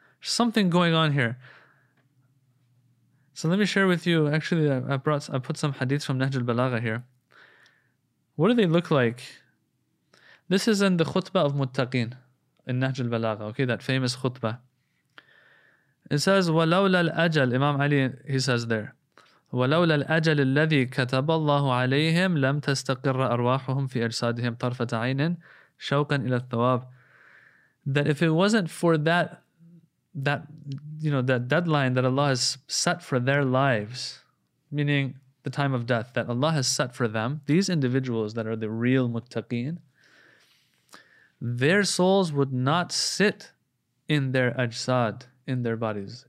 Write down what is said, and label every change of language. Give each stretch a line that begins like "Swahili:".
English: Something going on here. So let me share with you, actually I put some hadiths from Nahj al-Balagha here. What do they look like? This is in the khutbah of Muttaqin in Nahj al-Balagha, okay, that famous khutbah. It says,
Arabic: وَلَوْلَا الْأَجَلِ, Imam Ali,
English: he says there,
Arabic: وَلَوْلَا الْأَجَلِ الَّذِي كَتَبَ اللَّهُ عَلَيْهِمْ لَمْ تَسْتَقِرَّ أَرْوَاحُهُمْ فِي أَجْسَادِهِمْ طَرْفَةَ عَيْنٍ شَوْقًا إِلَى الثَّوَابِ.
English: That if it wasn't for that, you know, that deadline that Allah has set for their lives, meaning the time of death that Allah has set for them, these individuals that are the real muttaqeen, their souls would not sit in their ajsad, in their bodies.